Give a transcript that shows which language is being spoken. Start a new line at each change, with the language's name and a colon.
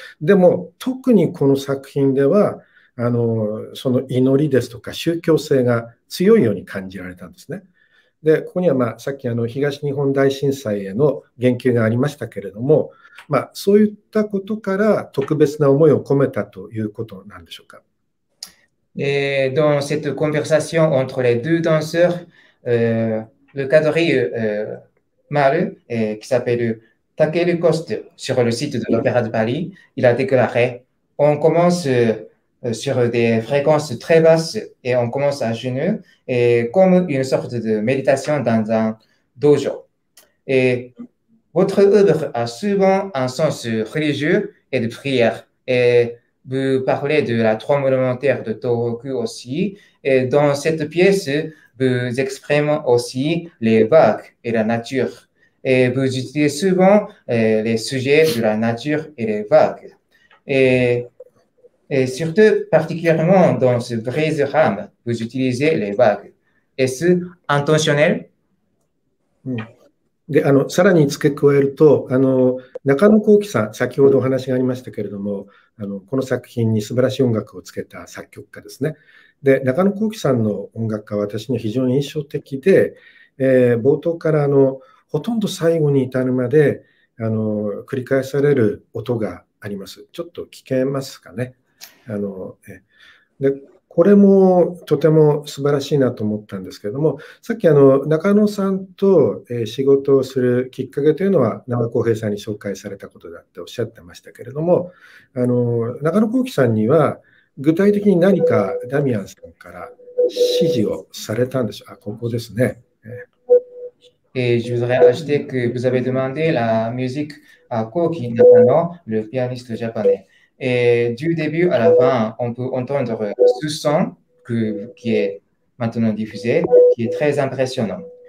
Japanese: でも、特にこの作品では、その祈りですとか宗教性が強いように感じられたんですね。で、ここにはさっき東日本大震災への言及がありましたけれども、そういったことから特別な思いを込めたということなんでしょうか。
French: Dans cette conversation entre les deux danseurs, le quadrille mâle qui s'appelle Taquel Coste sur le site de l'Opéra de Paris, il a déclaré on commence sur des fréquences très basses et on commence à genoux et comme une sorte de méditation dans un dojo. Et votre œuvre a souvent un sens religieux et de prière. Et vous parlez de la tremble mentaire de Tohoku aussi. Et dans cette pièce, vous exprimez aussi les vagues et la nature. Et vous utilisez souvent les sujets de la nature et les vagues. Et surtout, particulièrement dans ce Breeze Ram, vous utilisez les vagues. Est-ce intentionnel?
Japanese: で、さらに付け加えると、中野幸喜さん、先ほどお話がありましたけれども、この作品に素晴らしい音楽をつけた作曲家ですね。で、中野幸喜さんの音楽家は私には非常に印象的で、冒頭からほとんど最後に至るまで、繰り返される音があります。ちょっと聞けますかね。でこれもとても素晴らしいなと思ったんですけれども、さっき中野さんと仕事をするきっかけというのは長野浩平さんに紹介されたことだっておっしゃってましたけれども、中野浩喜さんには具体的に何かダミアンさんから指示をされたんでしょうか。ここですね。
French: Et je voudrais ajouter que vous avez demandé la musique à Koki Nakano, le pianiste japonais. Et du début à la fin, on peut entendre ce son qui est maintenant diffusé, qui est très impressionnant.